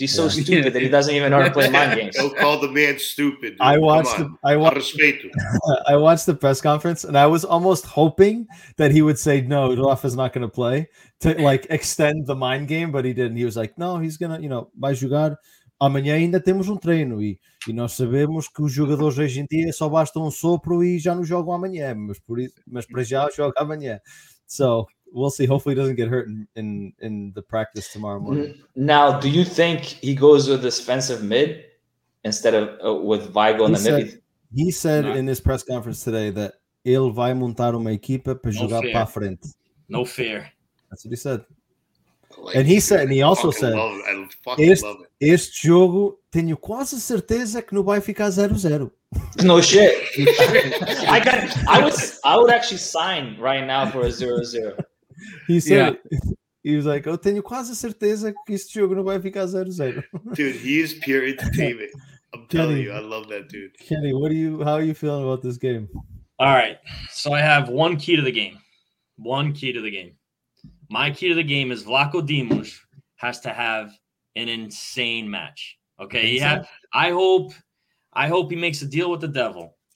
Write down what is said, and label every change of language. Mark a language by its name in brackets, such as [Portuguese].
[English] He's so stupid that he doesn't even know how to play mind games. Don't call the man stupid, dude. I watched the press conference, and I was almost hoping that he would say, no, Rafa's not going to play, to like extend the mind game, but he didn't. He was like, no, he's going to, you know, [Portuguese] vai jogar. Amanhã ainda temos treino e nós sabemos que os jogadores hoje em dia só basta sopro e já não jogam amanhã, mas para já joga amanhã. [English] So we'll see. Hopefully he doesn't get hurt in the practice tomorrow morning. Now, do you think he goes with this defensive mid instead of with Weigl in the mid? He said in his press conference today that [Portuguese] ele vai montar uma equipa para jogar para a frente. [English] No fear. That's what he said. Like, and he said, and he also said, I fucking love it. [Portuguese] Este jogo, tenho quase certeza que não vai ficar 0-0. [English] No shit. I would actually sign right now for a 0-0. He said, he was like, [Portuguese] tenho quase certeza que este jogo não vai ficar 0-0. [English] Dude, he is pure entertainment. I'm telling you, I love that dude. Kenny, how are you feeling about this game? All right. So I have one key to the game. My key to the game is Vlaco Dimos has to have an insane match. Okay. I hope he makes a deal with the devil.